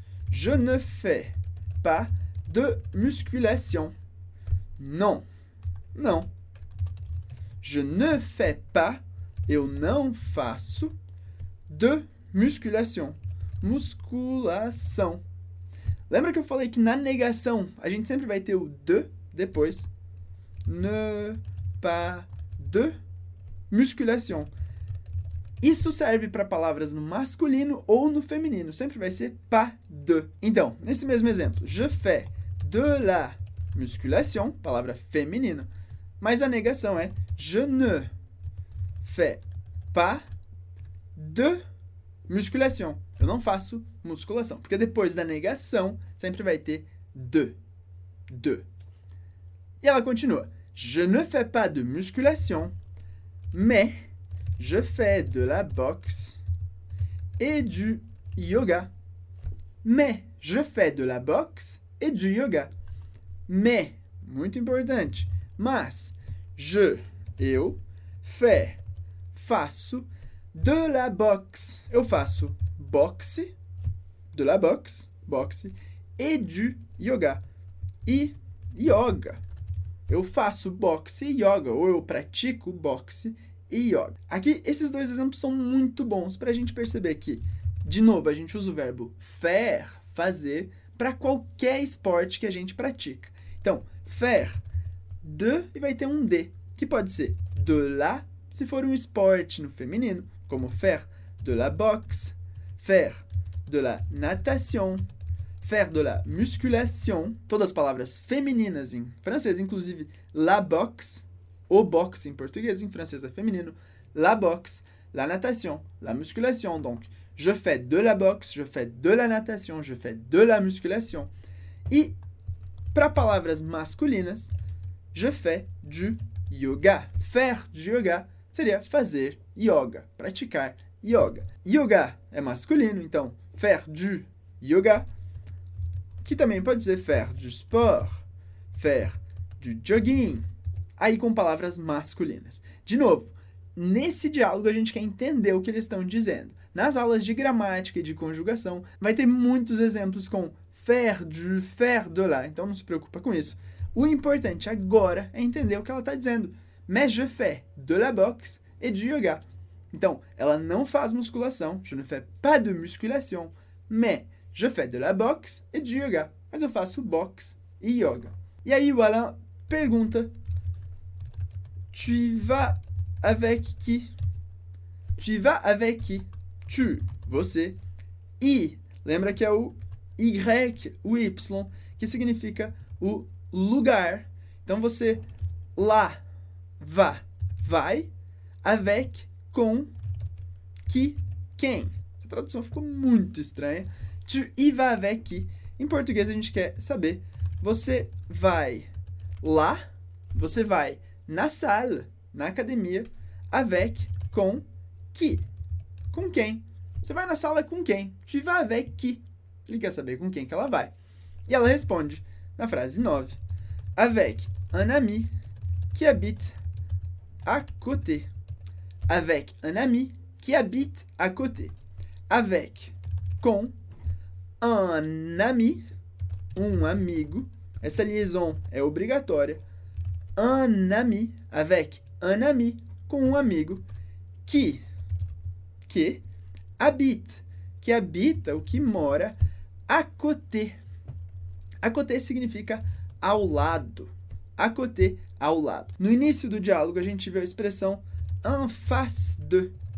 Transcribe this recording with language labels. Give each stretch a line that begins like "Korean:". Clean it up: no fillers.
French: Je ne fais pas de musculation. Non. Non. Je ne fais pas, eu não faço, de musculation, musculação.
Portuguese: Lembra que eu falei que na negação a gente sempre vai ter o de depois?
French: Ne pas de musculation.
Portuguese: Isso serve para palavras no masculino ou no feminino, sempre vai ser pas de. Então, nesse mesmo exemplo,
French: je fais de la musculation,
Portuguese: palavra feminina, mas a negação é
French: je ne fais pas de musculation.
Portuguese: Eu não faço musculação. Porque depois da negação, sempre vai ter de. De. E ela continua.
French: Je ne fais pas de musculation, mais je fais de la boxe et du yoga. Mais je fais de la boxe et du yoga.
Portuguese: Mais, muito importante, mas...
French: Je, eu, fais, faço, de la boxe.
Portuguese: Eu faço boxe,
French: de la boxe,
Portuguese: boxe, e du yoga. E yoga. Eu faço boxe e yoga, ou eu pratico boxe e yoga. Aqui, esses dois exemplos são muito bons para a gente perceber que, de novo, a gente usa o verbo faire, fazer, para qualquer esporte que a gente pratica. Então, faire, de, e vai ter um de, que pode ser de la, se for um esporte no feminino, como
French: faire de la boxe, faire de la natation, faire de la musculation,
Portuguese: todas as palavras femininas em francês, inclusive la boxe, O boxe em português e em francês é feminino.
French: La boxe, la natation, la musculation. Donc, je fais de la boxe, je fais de la natation, je fais de la musculation.
Portuguese: E para palavras masculinas,
French: je fais du yoga. Faire du yoga
Portuguese: seria fazer yoga, praticar yoga. Yoga é masculino, então
French: faire du yoga,
Portuguese: que também pode ser
French: faire du sport, faire du jogging,
Portuguese: aí com palavras masculinas. De novo, nesse diálogo a gente quer entender o que eles estão dizendo. Nas aulas de gramática e de conjugação, vai ter muitos exemplos com faire du, faire de là, então não se preocupa com isso. O importante agora é entender o que ela está dizendo.
French: Mais je fais de la boxe et du yoga.
Portuguese: Então, ela não faz musculação,
French: je ne fais pas de musculation, mais je fais de la boxe et du yoga.
Portuguese: Mas eu faço boxe e yoga. E aí o Alain pergunta,
French: tu y vas avec qui? Tu y vas avec qui?
Portuguese: Tu, você, e, lembra que é o Y, o Y, que significa o lugar. Então você, lá, va, vai, avec, com, qui, quem. Essa tradução ficou muito estranha.
French: Tu y vas avec qui.
Portuguese: Em português a gente quer saber, você vai lá, você vai na salle, na academia, avec, com, qui. Com quem. Você vai na sala com quem?
French: Tu y vas avec qui.
Portuguese: Ele quer saber com quem que ela vai. E ela responde na frase 9.
French: Avec un ami qui habite à côté. Avec un ami qui habite à côté.
Portuguese: Avec, com, un ami, um amigo. Essa liaison é obrigatória.
French: Un ami, avec un ami,
Portuguese: com um amigo. Que habite, que habita, o que mora, à côté. À côté significa ao lado. À côté, ao lado. No início do diálogo, a gente vê a expressão en face de.